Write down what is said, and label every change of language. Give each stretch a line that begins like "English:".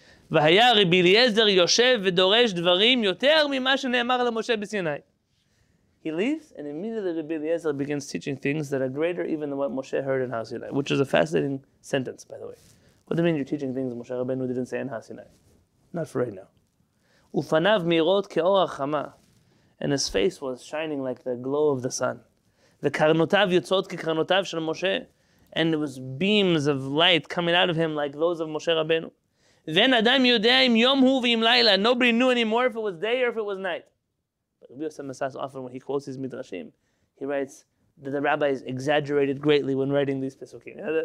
Hebrew: והיה רבי אליעזר יושב ודורש דברים יותר ממה שנאמר למשה בסיני.
English: He leaves and immediately Rabbi Eliezer begins teaching things that are greater even than what Moshe heard in Har Sinai, which is a fascinating sentence, by the way. What do you mean you're teaching things Moshe Rabbeinu didn't say in Har Sinai? Not for right now.
Hebrew: ופניו מירות כאור החמה.
English: And his face was shining like the glow of the sun.
Hebrew: וקרנותיו יוצאות כקרנותיו של משה.
English: And there was beams of light coming out of him like those of Moshe Rabbeinu.
Hebrew: Then Adam Yudaim Yom Hu V'im Laila.
English: Nobody knew anymore if it was day or if it was night. But Rabbi Yosef Masas often, when he quotes his midrashim, he writes that the rabbis exaggerated greatly when writing these pesukim.